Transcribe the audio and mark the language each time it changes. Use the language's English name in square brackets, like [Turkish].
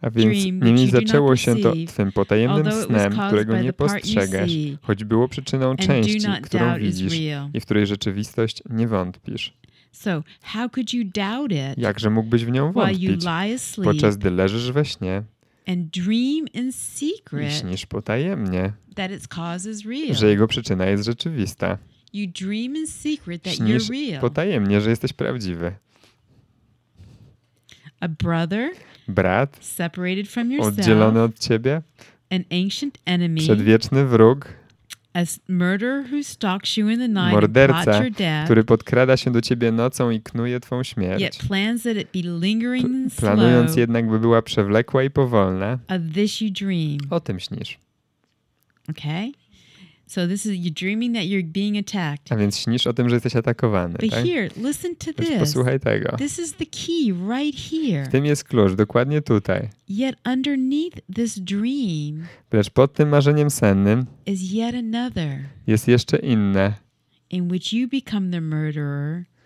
[Polish] A więc nimi zaczęło [English] perceive, [Polish] się to twym potajemnym snem, którego nie postrzegasz, choć było przyczyną części, którą widzisz i w której rzeczywistość nie wątpisz. [English] So, how could you doubt it? [Polish] Jakże mógłbyś w nią wątpić, podczas gdy leżysz we śnie [English] and dream in secret, [Polish] i śnisz potajemnie, [English] that its cause is real. [Polish] Że jego przyczyna jest rzeczywista. [English] You dream in secret that [Polish] śnisz [English] you're real. [Polish] Potajemnie, że jesteś prawdziwy. [English] A brother, [Polish] brat, [English] separated from yourself, [Polish] oddzielony od ciebie, [English] an ancient enemy, [Polish] przedwieczny wróg, [English] a murderer who stalks you in the night, [Polish] morderca, [English] your death, [Polish] który podkrada się do ciebie nocą i knuje twą śmierć, [English] yet plans that it be lingering and slow, [Polish] planując jednak, by była przewlekła i powolna, [English] of this you dream. [Polish] O tym śnisz. [English] Okay? So this is you dreaming that you're being attacked. [Polish] A więc śnisz o tym, że jesteś atakowany, [English] but [Polish] tak? [English] But here, listen to this. [Polish] Posłuchaj tego. [English] This is the key right here. [Polish] W tym jest klucz, dokładnie tutaj. [English] Yet underneath this dream. [Polish] Lecz pod tym marzeniem sennym. [English] Is yet another. [Polish] Jest jeszcze inne. [English] In which you become the murderer.